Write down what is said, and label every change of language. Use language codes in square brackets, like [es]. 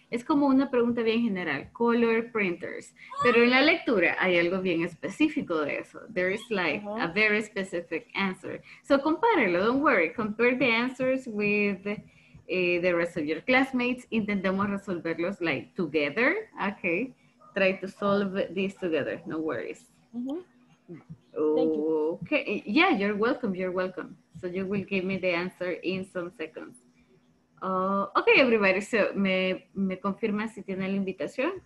[es] Es como una pregunta bien general, [en] color printers. [es] Pero en la lectura hay algo bien específico de eso. [en] There is like a very specific answer. So [es] compárelo, [en] don't worry. Compare the answers with the rest of your classmates. [es] Intentemos resolverlos [en] like together. Okay, try to solve this together, no worries. Okay, yeah, you're welcome. So you will give me the answer in some seconds. Okay, everybody, [es] so me confirma si tiene la invitación.